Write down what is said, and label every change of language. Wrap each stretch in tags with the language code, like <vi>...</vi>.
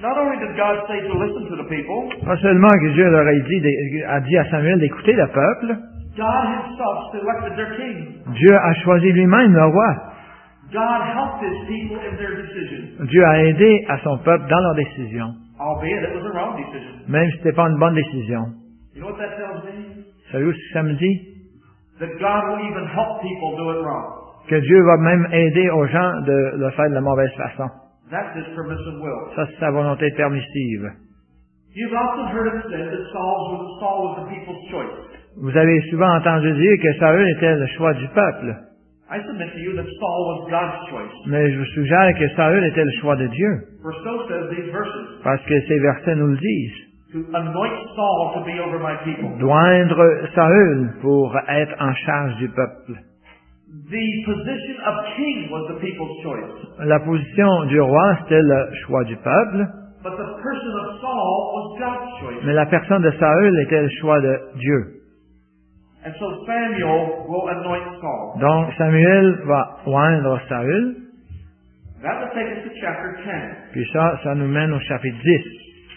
<fr>Pas seulement que Dieu leur a dit à Samuel d'écouter le peuple,</fr> <en>God himself selected their king.</en> <fr>Dieu a choisi lui-même le roi.</fr> <en>God helped his people in their decision.</en> <fr>Dieu a aidé à son peuple dans leur décision.</fr> <en>Albeit it was a wrong decision.</en> <fr>Même si ce n'était pas une bonne décision.</fr> <en>You know what that tells me?</en> <fr>Savez-vous ce que ça me dit?</fr> <en>That God will even help people do it wrong.</en> <fr>Que Dieu va même aider aux gens de le faire de la mauvaise façon.</fr> <en>That's his permissive will.</en> <fr>Ça, c'est sa volonté permissive.</fr> <en>You've also heard it said that Saul was the people's choice.</en> <fr>Vous avez souvent entendu dire que Saül était le choix du peuple.</fr> <en>I submit to you that Saul was God's choice.</en> <fr>Mais je vous suggère que Saül était le choix de Dieu.</fr> <en>For so says these verses.</en> <fr>Parce que ces versets nous le disent.</fr> <en>To anoint Saul to be over my people.</en> <fr>Doindre Saül pour être en charge du peuple.</fr> <en>The position of king was the people's choice.</en> <fr>La position du roi c'était le choix du peuple.</fr> <en>But the person of Saul was God's choice.</en> <fr>Mais la personne de Saül était le choix de Dieu.</fr> <en>And so Samuel will anoint Saul.</en> <fr>Donc Samuel va oindre Saül.</fr> <en>That will take us to chapter 10.</en> <fr>Puis ça nous mène au chapitre 10.</fr>